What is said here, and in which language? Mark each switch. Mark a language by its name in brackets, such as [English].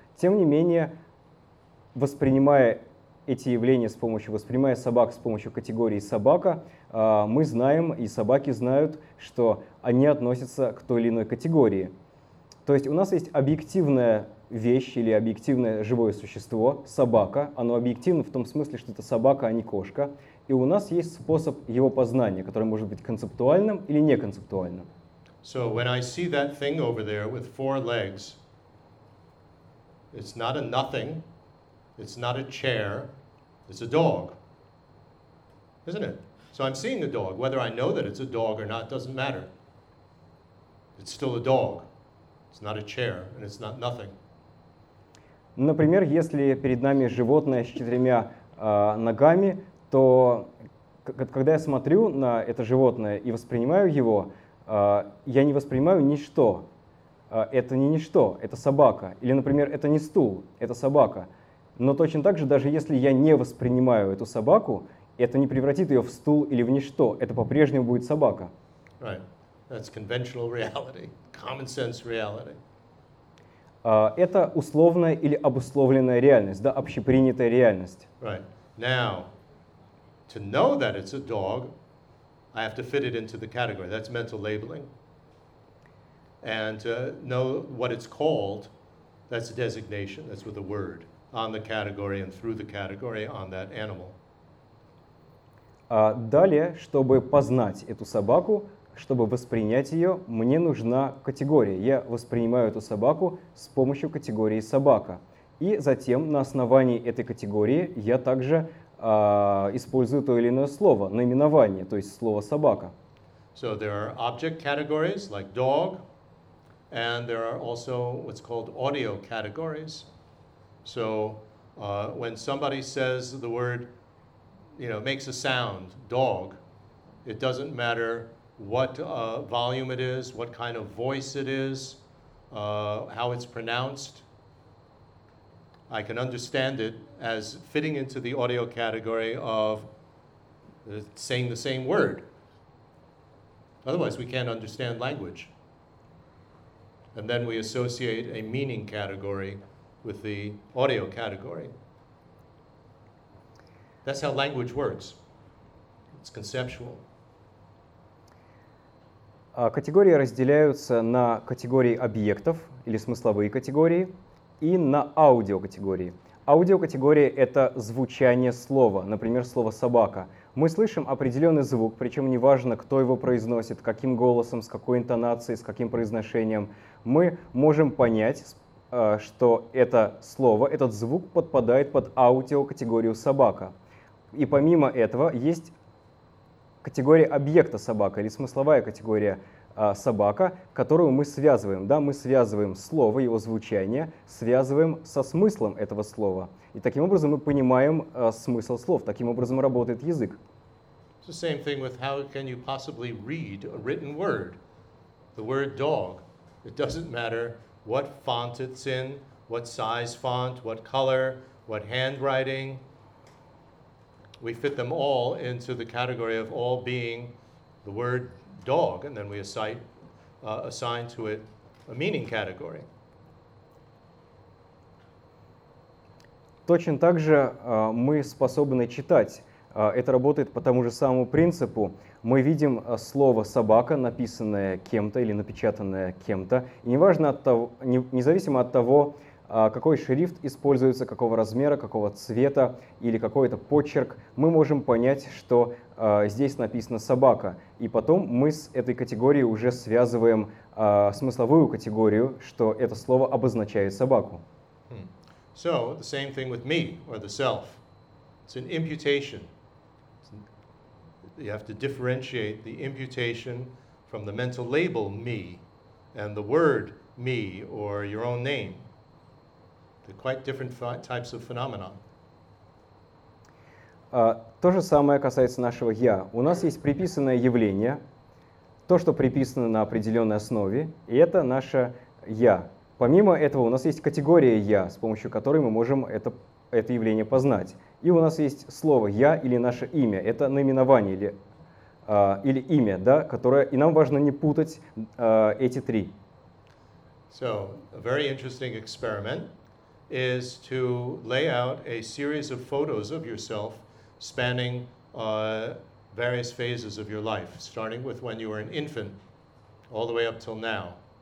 [Russian] Тем не менее, воспринимая эти явления с помощью, воспринимая собак с помощью категории «собака», мы знаем, и собаки знают, что они относятся к той или иной категории. То есть у нас есть объективная вещь или объективное живое существо, собака. Оно объективно в том смысле, что это собака, а не кошка. И у нас есть способ его познания, который может быть концептуальным или неконцептуальным. [English] So when I see that thing over there with four legs, it's not a nothing, it's not a chair, it's a dog, isn't it? So I'm seeing a dog. Whether I know that it's a dog or not doesn't matter. It's still a dog. It's not a chair, and it's not nothing. [Russian] Например, если перед нами животное с четырьмя ногами, то когда я смотрю на это животное и воспринимаю его, я не воспринимаю ничто. Это не ничто, это собака. Или, например, это не стул, это собака. Но точно так же, даже если я не воспринимаю эту собаку, это не превратит ее в стул или в ничто. Это по-прежнему будет собака. [English] Right. That's conventional reality, common sense reality. [Russian] Это условная или обусловленная реальность, да, общепринятая реальность. [English] Right. Now, to know that it's a dog, I have to fit it into the category. That's mental labeling. And to know what it's called, that's a designation, that's with a word, on the category and through the category on that animal. [Russian] Далее, чтобы познать эту собаку, чтобы воспринять ее, мне нужна категория. Я воспринимаю эту собаку с помощью категории «собака». И затем на основании этой категории я также использую то или иное слово, наименование, то есть слово «собака». [English] So there are object categories, like dog, and there are also what's called audio categories. So when somebody says the word, you know, makes a sound, dog, it doesn't matter what volume it is, what kind of voice it is, how it's pronounced. I can understand it as fitting into the audio category of saying the same word. Otherwise, we can't understand language. And then we associate a meaning category with the audio category. That's how language works. It's conceptual. [Russian] Категории разделяются на категории объектов или смысловые категории и на аудиокатегории. Аудиокатегория — это звучание слова, например, слово «собака». Мы слышим определенный звук, причем неважно, кто его произносит, каким голосом, с какой интонацией, с каким произношением. Мы можем понять, что это слово, этот звук подпадает под аудиокатегорию «собака». И помимо этого есть категория объекта «собака» или смысловая категория «собака», которую мы связываем. Да, мы связываем слово, его звучание, связываем со смыслом этого слова. И таким образом мы понимаем смысл слов. Таким образом работает язык. [English] It's the same thing with how can you possibly read a written word. The word dog. It doesn't matter what font it's in, what size font, what color, what handwriting. We fit them all into the category of all being the word dog, and then we assign to it a meaning category. [Russian] Точно так же мы способны читать. Это работает по тому же самому принципу. Мы видим слово «собака», написанное кем-то или напечатанное кем-то. И неважно от того, независимо от того, какой шрифт используется, какого размера, какого цвета или какой это почерк, мы можем понять, что здесь написано «собака». И потом мы с этой категорией уже связываем смысловую категорию, что это слово обозначает собаку. [English] So, the same thing with me or the self. It's an imputation. You have to differentiate the imputation from the mental label me and the word me or your own name. They're quite different types of phenomena. [Russian] То же самое касается нашего «я». У нас есть приписанное явление, то, что приписано на определенной основе, и это наше «я». Помимо этого, у нас есть категория «я», с помощью которой мы можем это явление познать. И у нас есть слово «я» или наше имя. Это наименование или имя, да, которое... И нам важно не путать эти три. [English] So, a very interesting experiment is to lay out a series of photos of yourself spanning various phases of your life, starting with when you were an infant, all the way up till now.